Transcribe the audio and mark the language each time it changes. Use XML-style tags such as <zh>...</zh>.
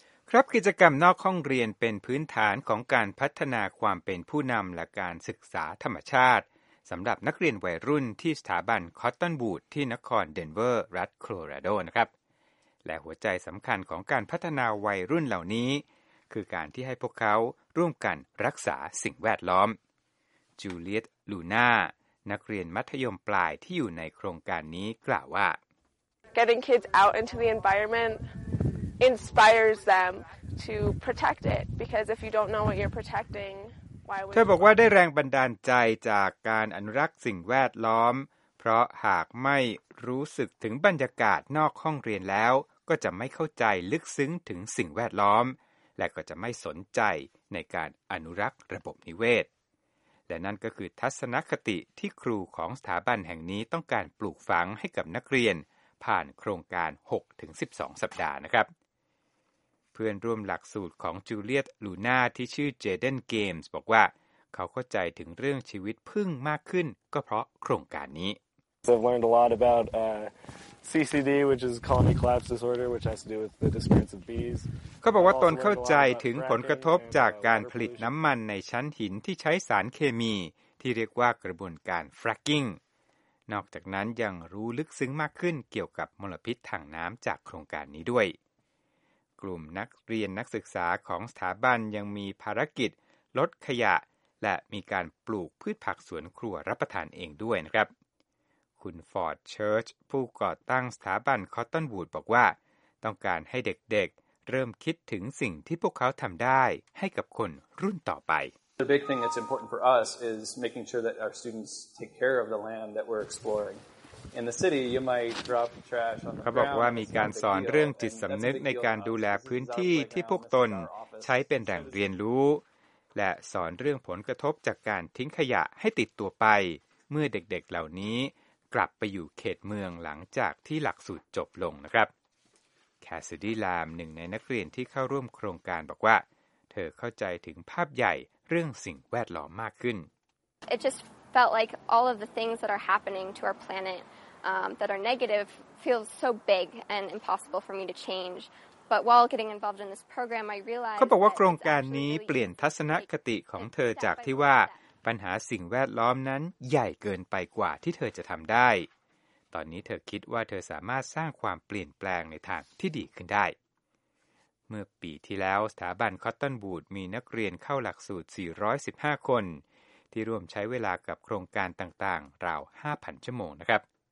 <th>ครับกิจกรรมนอกห้องเรียนเป็นพื้นฐานของการพัฒนาความเป็นผู้นำและการศึกษาธรรมชาติสำหรับนักเรียนวัยรุ่นที่สถาบันคอตตอนวูดที่นครเดนเวอร์รัฐโคโลราโดนะครับและหัวใจสำคัญของการพัฒนาวัยรุ่นเหล่านี้คือการที่ให้พวกเขาร่วมกันรักษาสิ่งแวดล้อมจูเลียตลูน่านักเรียนมัธยมปลายที่อยู่ในโครงการนี้กล่าวว่า</th> <en>Getting kids out into the environment inspires them to protect it because if you don't know what you're protecting</en> <th>เธอบอกว่าได้แรงบันดาลใจจากการอนุรักษ์สิ่งแวดล้อมเพราะหากไม่รู้สึกถึงบรรยากาศนอกห้องเรียนแล้วก็จะไม่เข้าใจลึกซึ้งถึงสิ่งแวดล้อมและก็จะไม่สนใจในการอนุรักษ์ระบบนิเวศและนั่นก็คือทัศนคติที่ครูของสถาบันแห่งนี้ต้องการปลูกฝังให้กับนักเรียนผ่านโครงการ 6-12 สัปดาห์นะครับ เพื่อนร่วมหลักสูตรของจูเลียตลูน่าที่ชื่อเจเดนเกมส์บอกว่าเขาเข้าใจถึงเรื่องชีวิตผึ้งมากขึ้นก็เพราะโครงการนี้</th> <en>So I've learned a lot about CCD which is colony collapse disorder which has to do with the disappearance of bees</en> <th>เขาบอกว่าตนเข้าใจถึงผลกระทบจากการผลิตน้ำมันในชั้นหินที่ใช้สารเคมีที่เรียกว่ากระบวนการ fracking นอกจากนั้นยังรู้ลึกซึ้งมากขึ้นเกี่ยวกับมลพิษทางน้ำจากโครงการนี้ด้วย กลุ่มนักเรียนนักศึกษาของสถาบันยังมีภารกิจลดขยะและมีการปลูกพืชผักสวนครัวรับประทานเองด้วยนะครับคุณฟอร์ดเชิร์ชผู้ก่อตั้งสถาบันคอตตอนวูดบอกว่าต้องการให้เด็กๆเริ่มคิดถึงสิ่งที่พวกเขาทำได้ให้กับคนรุ่นต่อไป</th> <en>The big thing that's important for us is making sure that our students take care of the land that we're exploringIn the city, you might drop trash on the ground.</en> <th>เขาบอกว่ามีการสอนเรื่องจิตสำนึกในการดูแลพื้นที่ที่พวกตนใช้เป็นแหล่งเรียนรู้และสอนเรื่องผลกระทบจากการทิ้งขยะให้ติดตัวไปเมื่อเด็กๆ เหล่านี้กลับไปอยู่เขตเมืองหลังจากที่หลักสูตรจบลงนะครับแคสซิดี้ลามหนึ่งในนักเรียนที่เข้าร่วมโครงการบอกว่าเธอเข้าใจถึงภาพใหญ่เรื่องสิ่งแวดล้อมมากขึ้น</th> <en>Felt like all of the things that are happening to our planet that are negative feels so big and impossible for me to change. But while getting involved in this program, I realized.</en> <th>เขาบอกว่าโครงการนี้เปลี่ยนทัศนคติของเธอจากที่ว่าปัญหาสิ่งแวดล้อมนั้นใหญ่เกินไปกว่าที่เธอจะทำได้ตอนนี้เธอคิดว่าเธอสามารถสร้างความเปลี่ยนแปลงในทางที่ดีขึ้นได้เมื่อปีที่แล้วสถาบันคอตตอนวูดมีนักเรียนเข้าหลักสูตร415คนที่ร่วมใช้เวลากับโครงการต่างๆราว 5,000 ชั่วโมงนะครับ</th>